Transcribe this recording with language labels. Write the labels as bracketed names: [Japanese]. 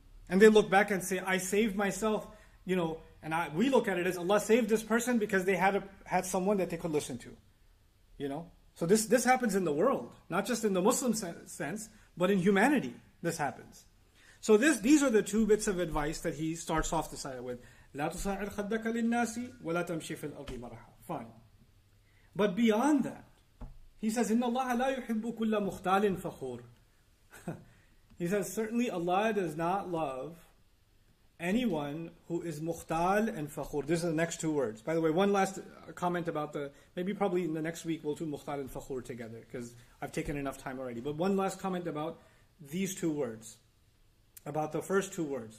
[English] And they look back and say, I saved myself, you know, we look at it as Allah saved this person because they had someone that they could listen to, you know. So this happens in the world, not just in the Muslim sense, but in humanity, this happens. So these are the two bits of advice that he starts off this ayah with. [Arabic] لا تسعِل خدك للناس ولا تمشي في الأرض مرحا. [English] Fine. But beyond that, he says, [Arabic] إِنَّ اللَّهَ لَا يُحِبُّ كُلَّ مُخْتَالٍ فَخُورٍ. [English] He says, certainly Allah does not love anyone who is مُخْتَال and فَخُورٍ. This is the next two words. By the way, one last comment about probably in the next week we'll do مُخْتَال and فَخُورٍ together, because I've taken enough time already. But one last comment about these two words, about the first two words.